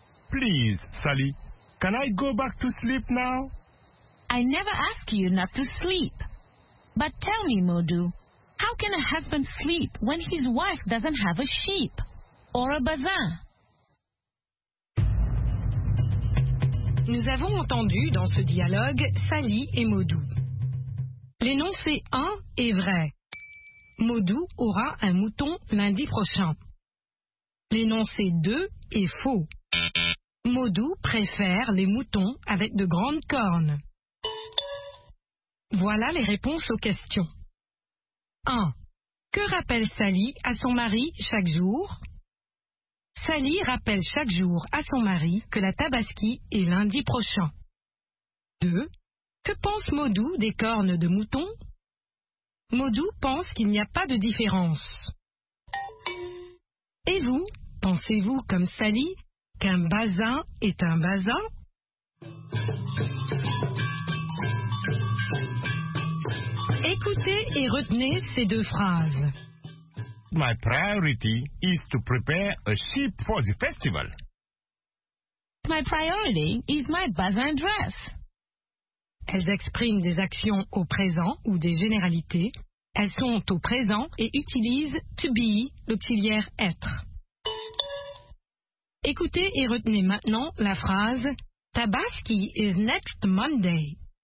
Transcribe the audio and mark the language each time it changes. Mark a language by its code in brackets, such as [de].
[en] Please, Sally, can I go back to sleep now? I never ask you not to sleep. But tell me, Maudou, how can a husband sleep when his wife doesn't have a sheep or a bazaar? [fr] Nous avons entendu dans ce dialogue Sally et Maudou. L'énoncé 1 est vrai. Maudou aura un mouton lundi prochain. L'énoncé 2 est faux. Maudou préfère les moutons avec de grandes cornes. Voilà les réponses aux questions. 1. Que rappelle Sally à son mari chaque jour? Sally rappelle chaque jour à son mari que la Tabaski est lundi prochain. 2. Que pense Maudou des cornes de mouton? Maudou pense qu'il n'y a pas de différence. Et vous, pensez-vous comme Sally qu'un bazaar est un bazaar? Écoutez et retenez ces deux phrases. [en] My priority is to prepare a sheep for the festival. My priority is my bazaar dress. [fr] Elles expriment des actions au présent ou des généralités. Elles sont au présent et utilisent to be, l'auxiliaire être. Écoutez et retenez maintenant la phrase [en] Tabaski is next Monday.